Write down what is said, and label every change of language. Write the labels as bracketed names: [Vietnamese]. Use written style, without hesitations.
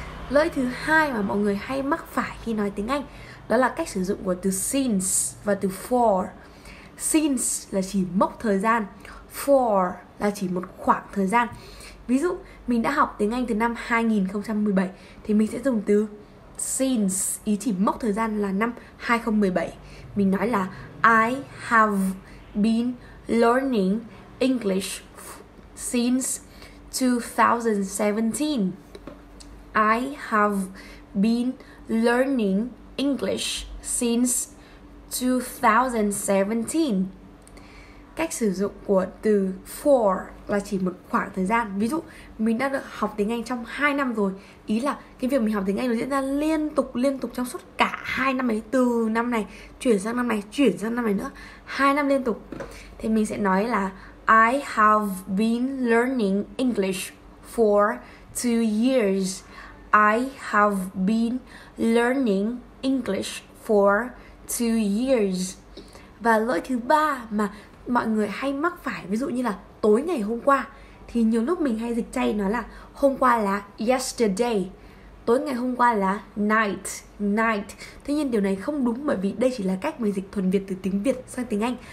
[Vietnamese] Lỗi thứ hai mà mọi người hay mắc phải khi nói tiếng Anh, đó là cách sử dụng của từ since và từ for. Since là chỉ mốc thời gian, for là chỉ một khoảng thời gian. Ví dụ mình đã học tiếng Anh từ năm 2017 thì mình sẽ dùng từ since, ý chỉ mốc thời gian là năm 2017. Mình nói là [English] I have been learning English since 2017. I have been learning English since 2017. [Vietnamese] Cách sử dụng của từ for là chỉ một khoảng thời gian. Ví dụ mình đã được học tiếng Anh trong 2 năm rồi, ý là cái việc mình học tiếng Anh nó diễn ra liên tục trong suốt cả 2 năm ấy, từ năm này chuyển sang năm này, chuyển sang năm này nữa, 2 năm liên tục. Thì mình sẽ nói là [English] I have been learning English for 2 years. I have been learning English for 2 years. [Vietnamese] Và lỗi thứ ba mà mọi người hay mắc phải, ví dụ như là tối ngày hôm qua, thì nhiều lúc mình hay dịch chay nó là hôm qua là yesterday, tối ngày hôm qua là night. Thế nhưng điều này không đúng, bởi vì đây chỉ là cách mình dịch thuần Việt từ tiếng Việt sang tiếng Anh.